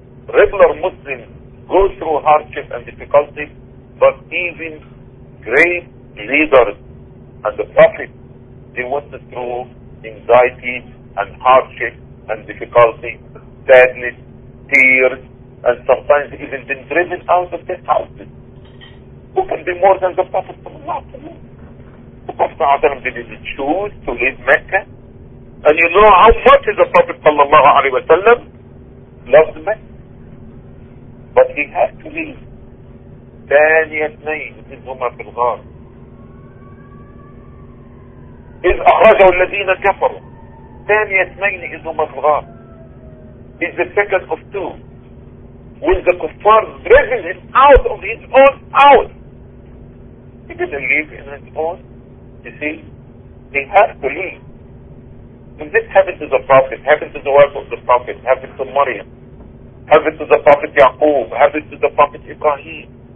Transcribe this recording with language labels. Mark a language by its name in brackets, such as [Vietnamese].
[English] regular Muslims go through hardship and difficulty, but even great leaders and the Prophet, they went through anxiety and hardship and difficulty, sadness, tears, and sometimes even been driven out of their houses. Who can be more than the Prophet of Allah? The Prophet of Allah didn't choose to leave Mecca. And you know how much the Prophet sallallahu alaihi wasallam loved Mecca. But he had to leave. [Arabic] ثانية اثنين منهما في الغار. إذ أخرجوا الذين كفروا ثانية اثنين منهما في الغار. [English] It's the second of two. When the kuffar driven him out of his own house. He didn't live in his own. You see, they have to leave. And this happened to the Prophet, happened to the wife of the Prophet, happened to Maryam, happened to the Prophet Yaqub, happened to the Prophet Ibrahim.